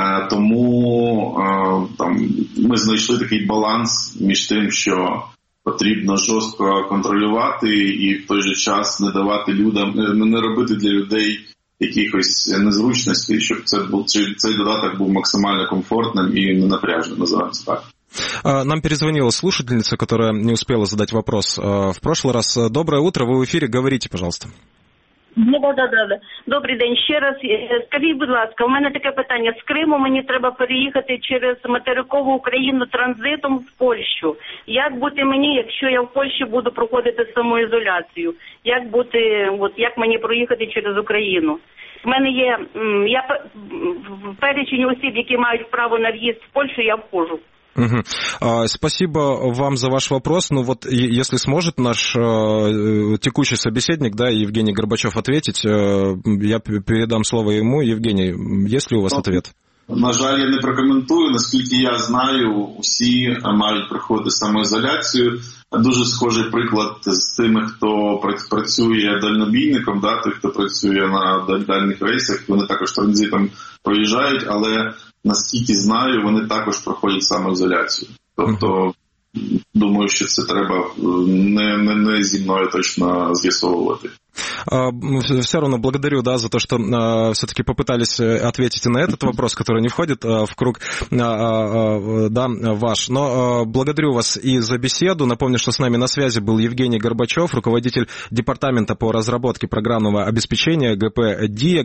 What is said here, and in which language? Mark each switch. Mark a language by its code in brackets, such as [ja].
[uk] Тому там ми знайшли такий баланс між тим, що потрібно жорстко контролювати і в той же час не давати людям, не робити для людей якихось незручностей, щоб цей додаток був максимально комфортним і не напряжним, називаємо це так. [ru] Нам перезвонила слушательница, которая не успела задать вопрос в прошлый раз. Доброе утро, вы в эфире, говорите, пожалуйста. Да. [uk] Добрий день, ще раз. Скажіть, будь ласка, у мене таке питання. З Криму мені треба переїхати через материкову Україну транзитом в Польщу. Як бути мені, якщо я в Польщі буду проходити самоізоляцію? Як бути, от як мені проїхати через Україну? У мене є, я в перечень осіб, які мають право на в'їзд в Польщу, я вхожу. Угу. [ru] Спасибо вам за ваш вопрос. Ну вот, если сможет наш текущий собеседник, да, Евгений Горбачев, ответить, я передам слово ему. Евгений, есть ли у вас ответ? [uk] На жаль, я не прокоментую. Наскільки я знаю, усі мають проходити самоізоляцію. Дуже схожий приклад з тими, хто працює дальнобійником, да, тих, хто працює на дальних рейсах, вони також транзитом проїжджають, але наскільки знаю, вони також проходять самоізоляцію. Тобто, думаю, що це треба не зі мною точно з'ясовувати. [ru] Все равно благодарю, да, за то, что все-таки попытались ответить и на этот вопрос, который не входит в круг, да, ваш. Но благодарю вас и за беседу. Напомню, что с нами на связи был Евгений Горбачев, руководитель департамента по разработке программного обеспечения ГП ДИА.